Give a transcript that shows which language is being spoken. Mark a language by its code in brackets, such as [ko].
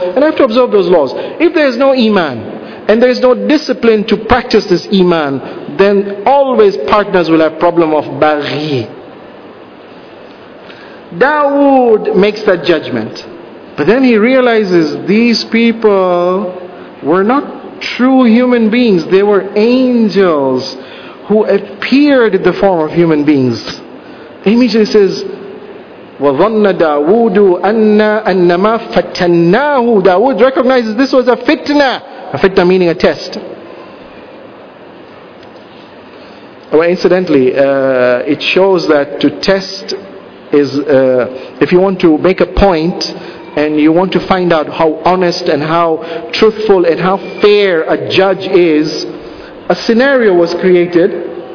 [en] And I have to observe those laws. If there is no iman, and there is no discipline to practice this iman, then always partners will have problem of baghi. Dawood makes that judgment. But then he realizes these people were not true human beings. They were angels who appeared in the form of human beings. He immediately says, [ar] وَظَنَّ دَاوُودُ أَنَّمَا فَتَنَّاهُ. [en] Dawood recognizes this was a fitna. A fitna meaning a test. Well, incidentally, it shows that to test is, if you want to make a point and you want to find out how honest and how truthful and how fair a judge is, a scenario was created.